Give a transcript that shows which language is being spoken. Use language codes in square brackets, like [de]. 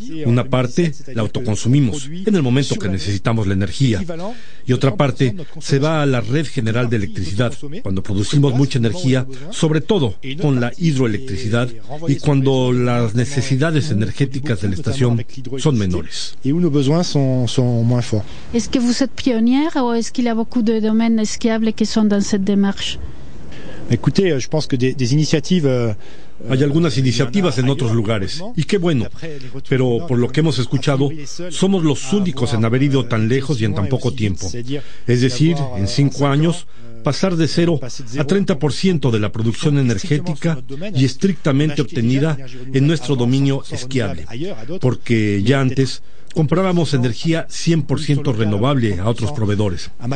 [es] Una parte la autoconsumimos en el momento que necesitamos la energía, y otra parte se va a la red general de electricidad cuando producimos mucha energía, sobre todo con la hidroelectricidad y cuando las necesidades energéticas de la estación son menores. [fr] Et où nos besoins sont moins forts. Est-ce que vous êtes pionnière ou est-ce qu'il y a beaucoup de domaines skiables qui sont dans cette démarche? Écoutez, je pense que des initiatives... [es] Hay algunas iniciativas en otros lugares, y qué bueno, pero por lo que hemos escuchado, somos los únicos en haber ido tan lejos y en tan poco tiempo. Es decir, en 5 años, pasar de 0 a 30% de la producción energética y estrictamente obtenida en nuestro dominio esquiable, porque ya antes comprábamos energía 100% renovable a otros proveedores.